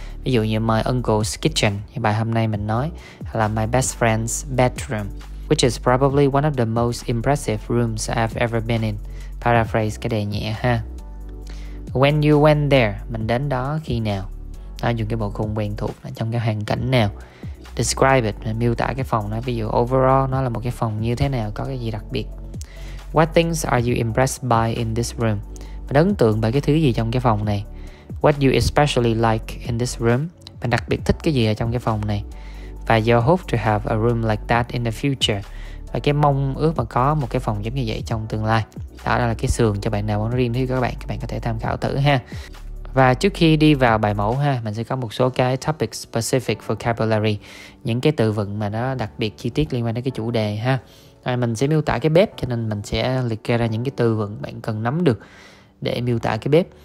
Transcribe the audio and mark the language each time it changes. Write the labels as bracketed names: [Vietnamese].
[Vietnamese] Ví dụ như [English] my uncle's kitchen [Vietnamese] thì bài hôm nay mình nói, hay là [English] my best friend's bedroom, which is probably one of the most impressive rooms I've ever been in. [Vietnamese] Paraphrase cái đề nhẹ ha. [English] When you went there, [Vietnamese] mình đến đó khi nào? Đó, dùng cái bộ khung quen thuộc là trong cái hoàn cảnh nào. [English] Describe it, [Vietnamese] mình miêu tả cái phòng đó. Ví dụ overall nó là một cái phòng như thế nào, có cái gì đặc biệt. [English] What things are you impressed by in this room? [Vietnamese] Mình ấn tượng bởi cái thứ gì trong cái phòng này. [English] What you especially like in this room? [Vietnamese] Mình đặc biệt thích cái gì ở trong cái phòng này. [English] Và you hope to have a room like that in the future. [Vietnamese] Và cái mong ước mà có một cái phòng giống như vậy trong tương lai. Đó là cái sườn cho bạn nào muốn riêng thì các bạn có thể tham khảo thử ha. Và trước khi đi vào bài mẫu ha, mình sẽ có một số cái [English] topic specific vocabulary. [Vietnamese] Những cái từ vựng mà nó đặc biệt chi tiết liên quan đến cái chủ đề ha. Rồi mình sẽ miêu tả cái bếp, cho nên mình sẽ liệt kê ra những cái từ vựng bạn cần nắm được để miêu tả cái bếp.